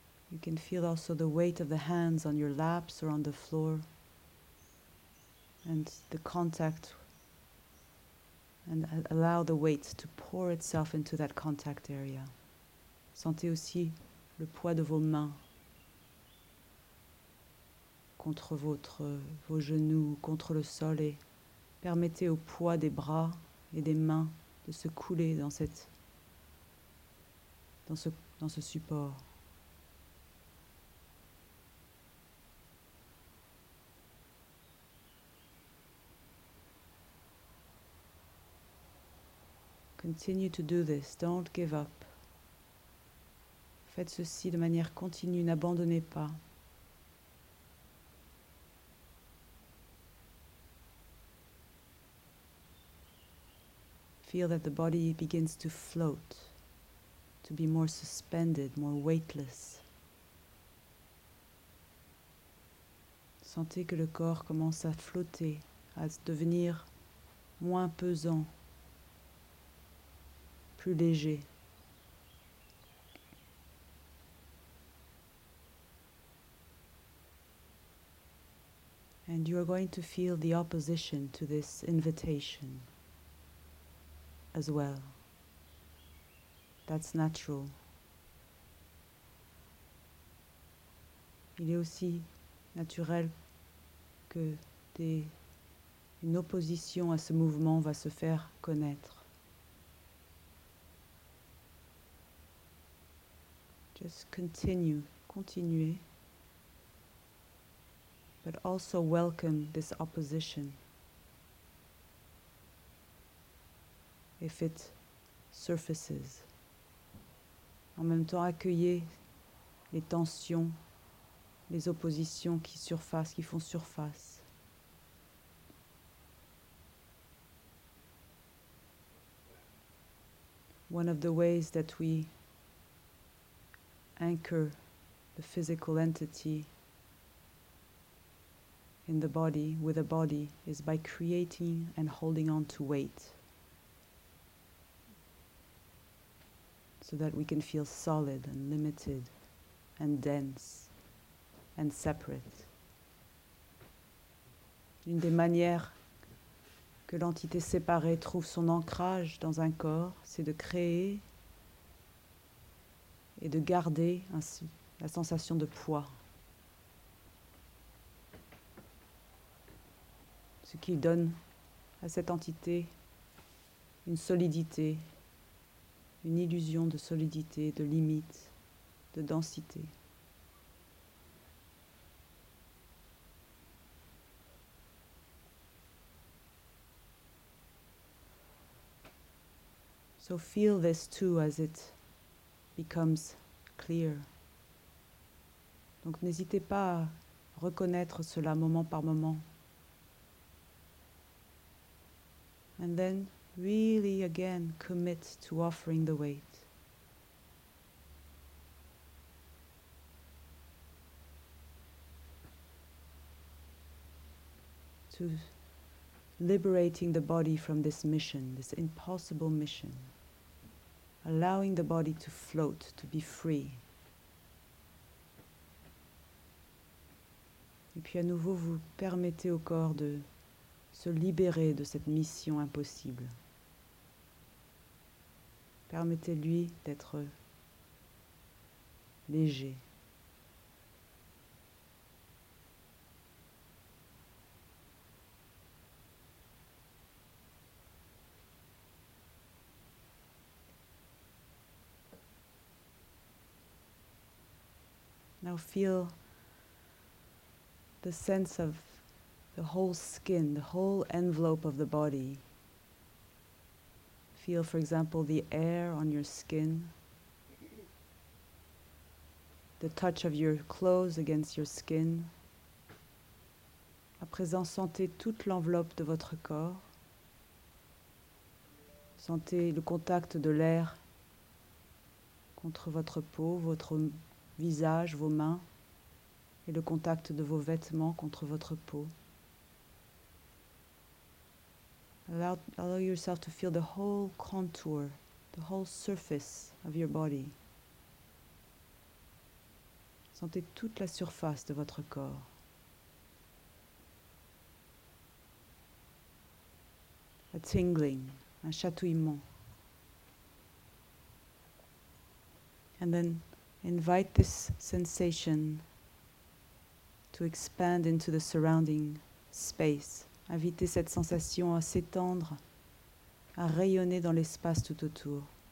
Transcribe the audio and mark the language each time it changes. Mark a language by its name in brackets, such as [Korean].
[English] You can feel also the weight of the hands on your laps or on the floor and the contact, and allow the weight to pour itself into that contact area. [French] Sentez aussi le poids de vos mains contre vos genoux, contre le sol, et permettez au poids des bras et des mains de se couler dans ce support. [English] Continue to do this, don't give up. [French] Faites ceci de manière continue, n'abandonnez pas. [English] Feel that the body begins to float, to be more suspended, more weightless. [French] Sentez que le corps commence à flotter, à devenir moins pesant, plus léger. [English] And you are going to feel the opposition to this invitation as well. That's natural. [French] Il est aussi naturel que une opposition à ce mouvement va se faire connaître. [English] Just [French] continuez. [English] But also welcome this opposition if it surfaces. [French] En même temps, accueillez les tensions, les oppositions qui font surface. [English] One of the ways that we anchor the physical entity in the body, with a body, is by creating and holding on to weight so that we can feel solid and limited and dense and separate. [French] Une des manières que l'entité séparée trouve son ancrage dans un corps, c'est de créer et de garder ainsi la sensation de poids, ce qui donne à cette entité une solidité, une illusion de solidité, de limite, de densité. [English] So feel this too as it becomes clear. [French] Donc n'hésitez pas à reconnaître cela moment par moment. [English] And then really again commit to offering the weight. To liberating the body from this mission, this impossible mission. Allowing the body to float, to be free. [French] Et puis à nouveau vous permettez au corps de se libérer de cette mission impossible. Permettez-lui d'être léger. [English] Now feel the sense of the whole skin, the whole envelope of the body. Feel, for example, the air on your skin, the touch of your clothes against your skin. [French] À présent, sentez toute l'enveloppe de votre corps. Sentez le contact de l'air contre votre peau, votre visage, vos mains, et le contact de vos vêtements contre votre peau. [English] Allow yourself to feel the whole contour, the whole surface of your body. [French] Sentez toute la surface de votre corps. [English] A tingling, [French] un chatouillement. [English] And then invite this sensation to expand into the surrounding space. [French] Invitez cette sensation à s'étendre, à rayonner dans l'espace tout autour.